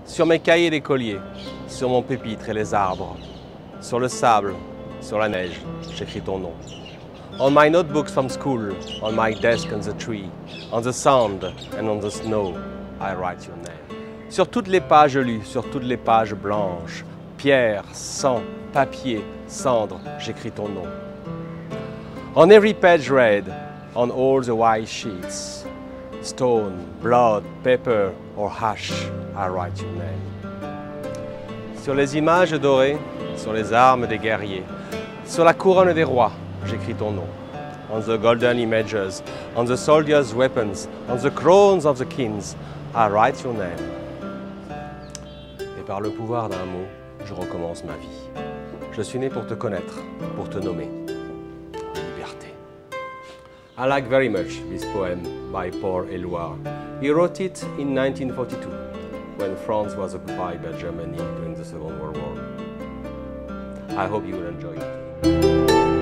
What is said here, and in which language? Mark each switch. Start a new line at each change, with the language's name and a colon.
French: sur mes cahiers d'écolier, sur mon pupitre et les arbres, sur le sable, sur la neige, j'écris ton nom.
English: On my notebooks from school, on my desk and the tree, on the sand and on the snow, I write your name.
French: Sur toutes les pages lues, sur toutes les pages blanches, pierre, sang, papier, cendre, j'écris ton nom.
English: On every page read, on all the white sheets, stone, blood, paper or ash, I write your name.
French: Sur les images dorées, sur les armes des guerriers, sur la couronne des rois, j'écris ton nom.
English: On the golden images, on the soldiers' weapons, on the crowns of the kings, I write your name.
French: Et par le pouvoir d'un mot, je recommence ma vie. Je suis né pour te connaître, pour te nommer. Liberté.
English: I like very much this poem by Paul Éluard. He wrote it in 1942, when France was occupied by Germany during the Second World War. I hope you will enjoy it.